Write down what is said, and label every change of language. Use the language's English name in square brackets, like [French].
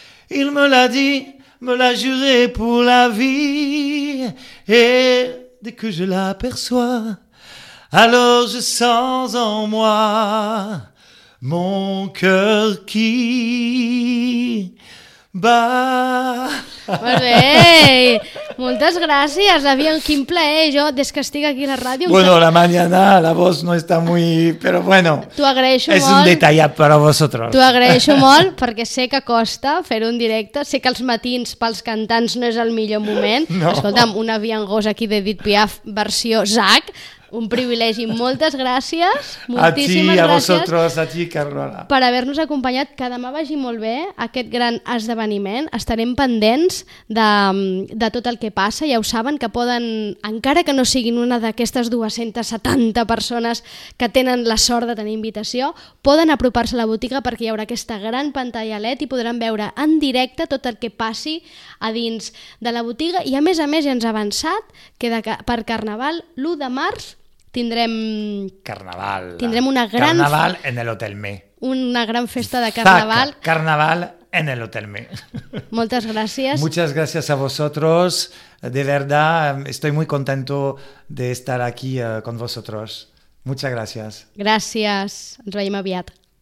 [French] Il me l'a dit, me l'a juré pour la vie. Et dès que je l'aperçois, alors je sens en moi mon cœur qui bat. [Catalan] Molt bé, moltes gràcies, Avion, quin plaer, jo, des que estic aquí a la ràdio. [Spanish] Bueno, la mañana la voz no está muy... Pero bueno, [Catalan] t'ho agraeixo és molt, un detallat per a [Spanish] vosotros. [Catalan] T'ho agraeixo molt, perquè sé que costa fer un directe, sé que els matins pels cantants no és el millor moment. No. Escolta'm, un Avion Gos aquí de Edith Piaf, versió Zac... Un privilegi. Moltes gràcies. Moltíssimes gràcies. [Spanish] A ti, a vosotros, a ti, Carola. [Catalan] Per haver-nos acompanyat. Que demà vagi molt bé aquest gran esdeveniment. Estarem pendents de tot el que passa. Ja ho saben que poden, encara que no siguin una d'aquestes 270 persones que tenen la sort de tenir invitació, poden apropar-se a la botiga perquè hi haurà aquesta gran pantalla LED i podran veure en directe tot el que passi a dins de la botiga. I a més ja ens ha avançat que per Carnaval l'1 de març tindrem Carnaval. Tindrem una gran [Spanish] Carnaval en el Hotel Me. [Catalan] Una gran festa de Carnaval. [Spanish] Zaca, Carnaval en el Hotel Me. [Catalan] Moltes gràcies. [Spanish] Muchas gracias a vosotros. De verdad, estoy muy contento de estar aquí con vosotros. Muchas gracias. [Catalan] Gràcies. Ens veiem aviat.